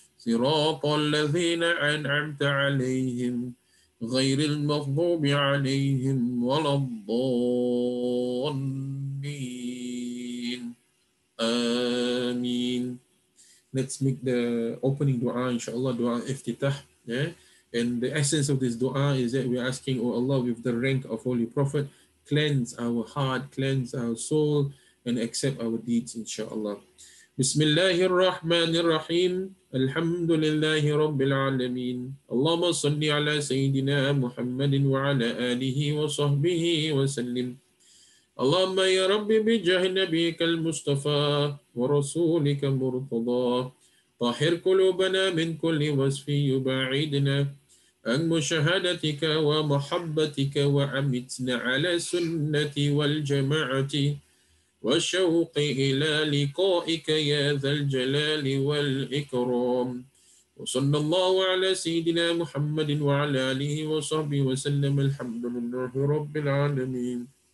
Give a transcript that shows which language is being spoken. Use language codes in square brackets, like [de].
[ar] صراط الذين أنعمت عليهم غير المغضوب عليهم ولا الضالين آمين. [en] Let's make the opening dua, inshallah, dua iftitah. Yeah? And the essence of this dua is that we're asking, O Allah, with the rank of Holy Prophet, cleanse our heart, cleanse our soul, and accept our deeds, inshallah. [ar] بسم الله الرحمن الرحيم الحمد لله رب العالمين اللهم صل على سيدنا محمد وعلى آله وصحبه وسلم اللهم يا رب بجاه نبيك المصطفى ورسولك مرتضى طهر قلوبنا من كل وصف يباعدنا عن مشاهدتك ومحبتك وعمتنا على السنة والجماعة والشوق إلى لقائك يا ذا الجلال والإكرام وصلى الله على سيدنا محمد وعلى آله وصحبه وسلم الحمد لله رب العالمين